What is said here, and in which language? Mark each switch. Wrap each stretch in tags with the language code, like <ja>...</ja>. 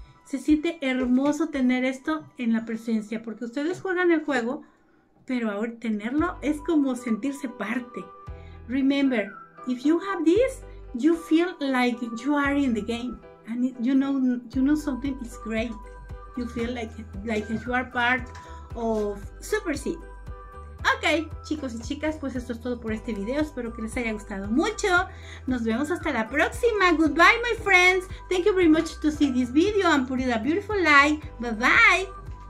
<es>Se siente hermoso tener esto en la presencia porque ustedes juegan el juego, pero ahora tenerlo es como sentirse parte.</es> <en>Remember, if you have this, you feel like you are in the game. And it, you know something is great. You feel like you are part of Super C.</en> <es>Ok, chicos y chicas, pues esto es todo por este video. Espero que les haya gustado mucho. Nos vemos hasta la próxima.</es> <en>Goodbye, my friends. Thank you very much to see this video and put it a beautiful like. Bye bye.</en>